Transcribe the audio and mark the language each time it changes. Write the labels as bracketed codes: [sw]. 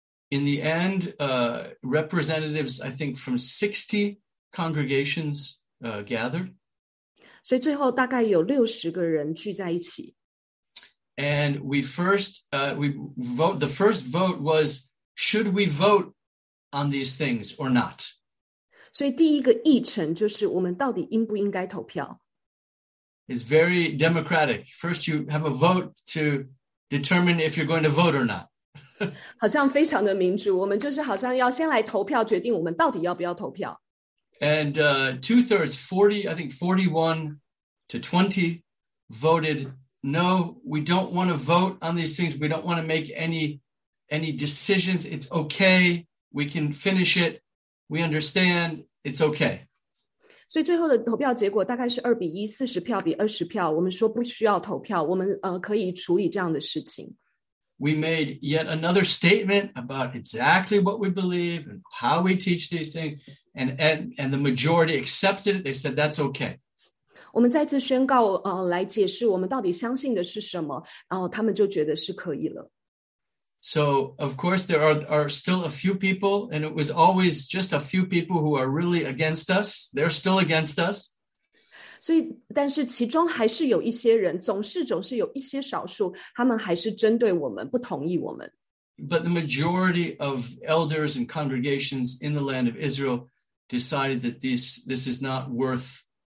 [en] In the end, representatives, I think, from 60 congregations gathered. [zh] 所以最后大概有60个人聚在一起。 [en] And the first vote was, should we vote on these things or not? [zh] 所以第一个议程就是我们到底应不应该投票。 [en] It's very democratic. First, you have a vote to determine if you're going to vote or not. [zh] 好像非常的民主，我们就是好像要先来投票，决定我们到底要不要投票。 [en] And two-thirds, 41 to 20 voted no, we don't want to vote on these things. We don't want to make any decisions. It's okay. We can finish it. We understand. It's okay. [zh] 所以最后的投票结果大概是2-1，40票比20票。我们说不需要投票，我们可以处理这样的事情。 [en] We made yet another statement about exactly what we believe and how we teach these things, and the majority accepted it. They said that's okay. [zh] 我们再次宣告，来解释我们到底相信的是什么，然后他们就觉得是可以了。 [en] So of course there are still a few people, and it was always just a few people who are really against us. They're still against us. [zh] 所以，但是其中还是有一些人，总是有一些少数，他们还是针对我们，不同意我们。 [en] But the majority of elders and congregations in the land of Israel decided that this is not worth.